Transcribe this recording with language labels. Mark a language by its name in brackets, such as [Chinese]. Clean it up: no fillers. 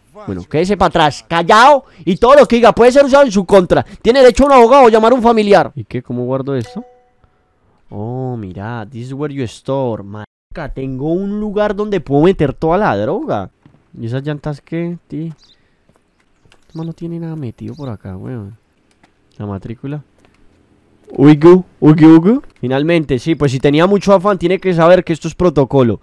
[Spanish] Bueno, quédese para atrás, callado, y todo lo que diga puede ser usado en su contra. Tiene derecho a un abogado o llamar a un familiar. ¿Y qué? ¿Cómo guardo esto? Oh, mira, [English] this is where you store. [Spanish] Marica, tengo un lugar donde puedo meter toda la droga. ¿Y esas llantas qué, tío? Toma, no tiene nada metido por acá, weón. La matrícula. Uigu, uigu, uigu. Finalmente, sí, pues si tenía mucho afán, tiene que saber que esto es protocolo.